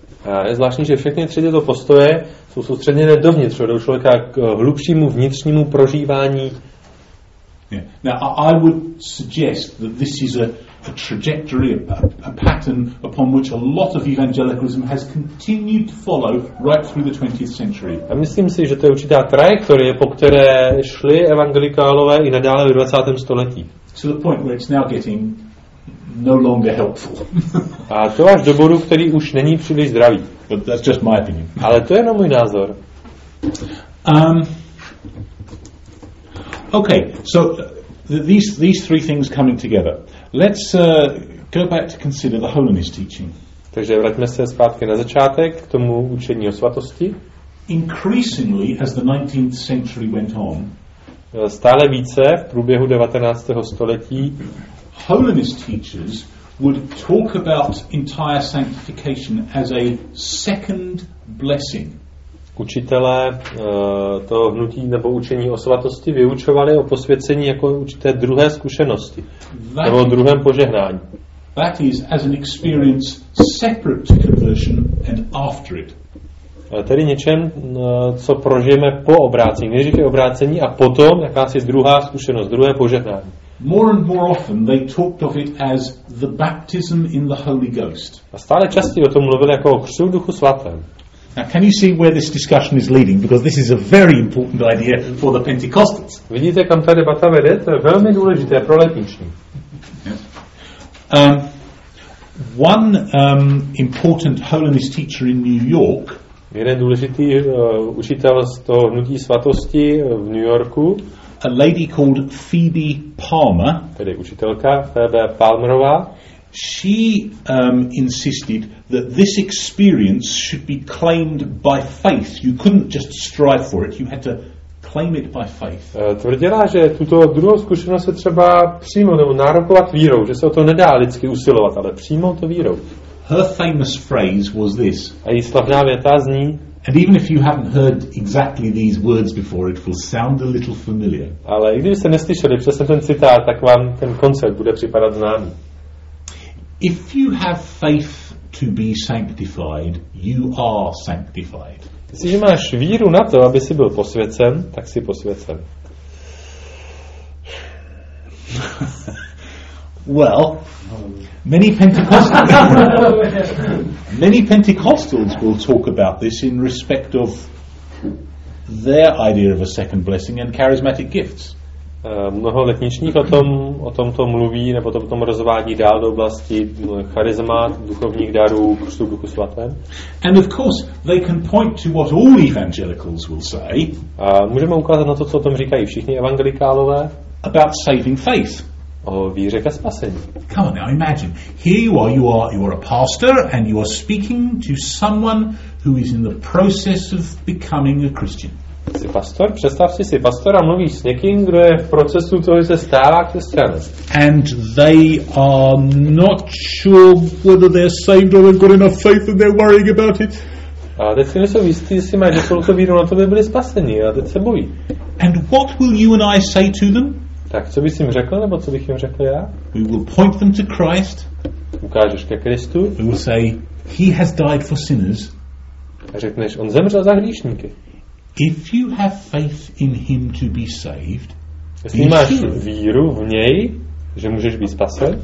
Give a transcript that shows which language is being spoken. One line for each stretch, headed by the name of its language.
Czech: A je zvláštní, že všechny tři tyto postoje jsou soustředěné dovnitř, vedou člověka k hlubšímu vnitřnímu prožívání.
English: Now I would suggest that this is a trajectory, a pattern upon which a lot of evangelicalism has continued to follow right through the 20th century.
Czech: A myslím si, že to je určitá trajektorie, po které šli evangelikálové i nadále v 20. století.
English: To the point where it's now getting no longer helpful.
Czech: A to až do bodu, který už není příliš zdravý.
English: But that's just my opinion.
Czech: Ale to je jenom můj názor.
English: Okay, so these three things coming together. Let's go back to consider the holiness teaching.
Czech: Takže vraťme se zpátky na začátek k tomu učení o svatosti.
English: increasingly as the 19th century went on.
Czech: Stále více v průběhu 19. století.
English: Holiness teachers would talk about entire sanctification as a second blessing.
Czech: Učitelé toho hnutí nebo učení o svatosti vyučovali o posvěcení jako určité druhé zkušenosti nebo o druhém požehnání.
English: That is as an experience separate to conversion and after it.
Czech: Tedy něčem, co prožijeme po obrácení, nejdřív je obrácení a potom jakási druhá zkušenost, druhé požehnání.
English: More and more often they talked of it as the baptism in the Holy Ghost.
Czech: A stále častěji o tom mluvili jako o křtu Duchu svatém.
English: Now, can you see where this discussion is leading? Because this is a very important idea for the Pentecostals.
Czech: Vidíte, kam ta debata vede? To je velmi důležité pro letniční.
English: Yeah. One important holiness teacher in New York.
Czech: Jeden důležitý učitel z toho hnutí svatosti v New Yorku.
English: A lady called Phoebe Palmer.
Czech: Tedy učitelka Phoebe Palmerová.
English: She insisted that this experience should be claimed by faith. You couldn't just strive for it. You had to claim it by faith.
Czech: Tvrdila, že tuto druhou zkušenost se třeba přímo nebo nárokovat vírou, že se o to nedá lidsky usilovat, ale přímo to vírou.
English: Her famous phrase was this.
Czech: A její slavná věta zní.
English: And even if you haven't heard exactly these words before, it will sound a little familiar.
Czech: Ale i když jste neslyšeli přesně ten citát, tak vám ten koncept bude připadat známý.
English: If you have faith to be sanctified, you are sanctified.
Czech: Jestliže máš víru na to, aby si byl posvěcen, tak si posvěcen.
English: Well, many Pentecostals will talk about this in respect of their idea of a second blessing and charismatic gifts.
Czech: Mnoho letničních o tomto mluví nebo to potom rozvádí dál do oblasti charizmat, duchovních darů, křtu Duchu svatém.
English: And of course, they can point to what all evangelicals will say.
Czech: A můžeme ukázat na to, co o tom říkají všichni evangelikálové.
English: About saving faith.
Czech: O víře ke spasení.
English: Come on now, imagine. Here you are a pastor and you are speaking to someone who is in the process of becoming a Christian.
Czech: Jsi pastor? Představ si, jsi pastor a mluvíš s někým, kdo je v procesu toho, že se stává křesťanem.
English: And they are not sure whether they're saved or they've got enough faith and they're worrying about it.
Czech: A teď si nejsou jistý, jestli mají dostatek víry na to, aby byli spaseni, a teď se bojí.
English: And what will you and I say to them?
Czech: Tak co bys jim řekl, nebo co bych jim řekl já?
English: We will point them to Christ.
Czech: Ukážeš ke Kristu.
English: We will say, he has died for sinners.
Czech: A řekneš, on zemřel za hříšníky.
English: If you have faith in him to be saved,
Czech: jestli máš víru v něj, že můžeš být spasen,